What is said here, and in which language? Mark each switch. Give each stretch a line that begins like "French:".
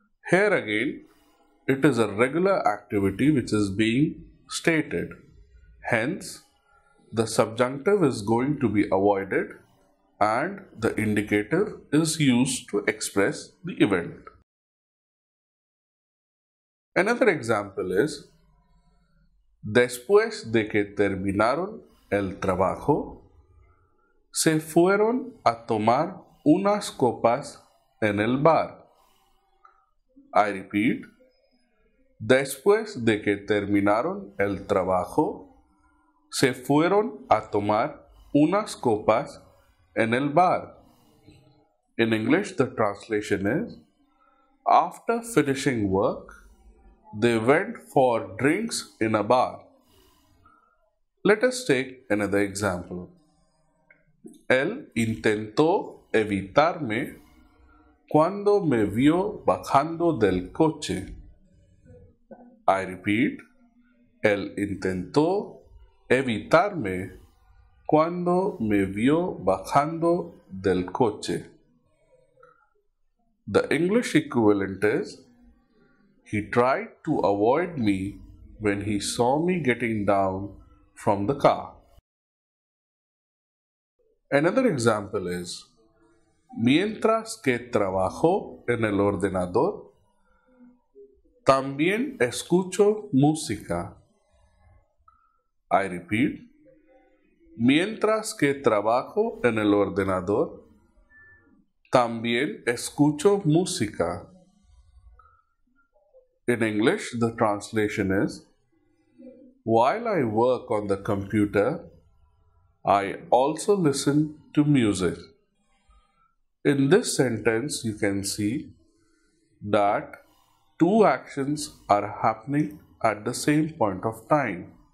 English: Here again, it is a regular activity which is being stated. Hence, the subjunctive is going to be avoided and the indicative is used to express the event. Another example is,
Spanish: después de que terminaron el trabajo, se fueron a tomar unas copas en el bar.
English: I repeat,
Spanish: después de que terminaron el trabajo, se fueron a tomar unas copas en el bar.
English: In English, the translation is, after finishing work, they went for drinks in a bar. Let us take another example.
Spanish: Él intentó evitarme cuando me vio bajando del coche.
English: I repeat,
Spanish: él intentó evitarme cuando me vio bajando del coche.
English: The English equivalent is, he tried to avoid me when he saw me getting down from the car. Another example is,
Spanish: mientras que trabajo en el ordenador, también escucho música.
English: I repeat,
Spanish: mientras que trabajo en el ordenador, también escucho música.
English: In English, the translation is, while I work on the computer, I also listen to music. In this sentence, you can see that two actions are happening at the same point of time.